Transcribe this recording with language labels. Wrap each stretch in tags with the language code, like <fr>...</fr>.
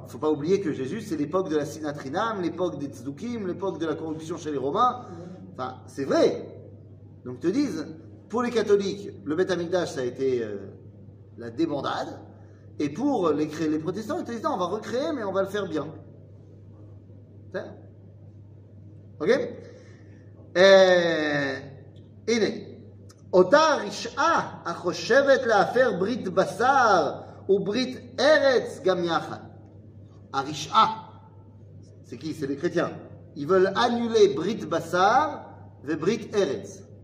<fr>Il ne faut pas oublier que Jésus, c'est l'époque de la Sinatrinam, l'époque des Tzoukim, l'époque de la corruption chez les Romains. Enfin, c'est vrai. Donc, te disent, pour les catholiques, le Beth Amikdash, ça a été la débandade. Et pour les protestants, ils te disent, on va recréer, mais on va le faire bien. C'est ça ? Ok ?</fr> <he>Et אותה רשעה החושבת להפר ברית בשר וברית ארץ גם יחד.</he> <fr>הרשעה, c'est qui? C'est les chrétiens. Ils veulent annuler</fr> <he>ברית בשר וברית ארץ.</he>